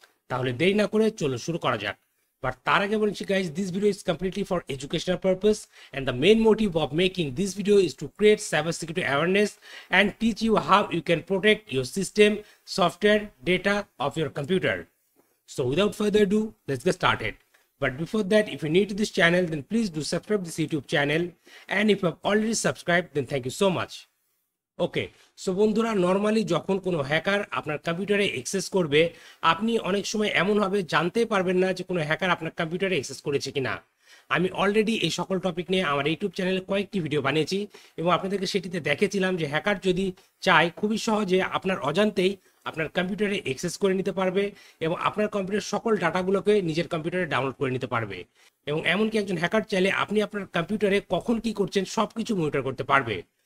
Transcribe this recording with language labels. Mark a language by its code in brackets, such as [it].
[bn] তাহলে দেরি না করে চলো শুরু করা যাক। [en] but [bn] তার আগে বলছি [en] Guys, this video is completely for educational purpose, and the main motive of making this video is to create cyber security awareness and teach you how you can protect your system, software, data of your computer. So without further ado, let's get started. But before that, if you're new to this channel, then please do subscribe to this YouTube channel. And if you have already subscribed, then thank you so much. [bn] Okay, so বন্ধুরা, normally যখন কোনো hacker আপনার কম্পিউটারে access করবে, আপনি অনেক সময় এমন হবে জানতে পারবেন না যে কোনো হ্যাকার আপনার কম্পিউটারে অ্যাক্সেস করেছে কিনা। আমি অলরেডি এই সকল টপিক নিয়ে আমার ইউটিউব চ্যানেলে কয়েকটি ভিডিও বানিয়েছি, এবং আপনাদেরকে সেটিতে দেখেছিলাম যে হ্যাকার যদি চায় খুবই সহজে আপনার অজান্তেই আপনার কম্পিউটারে অ্যাক্সেস করে নিতে পারবে, এবং আপনার কম্পিউটারের সকল ডাটাগুলোকে নিজের কম্পিউটারে ডাউনলোড করে নিতে পারবে, এবং এমনকি একজন হ্যাকার চাইলে আপনি আপনার কম্পিউটারে কখন কি করছেন সব কিছু মনিটর করতে পারবে।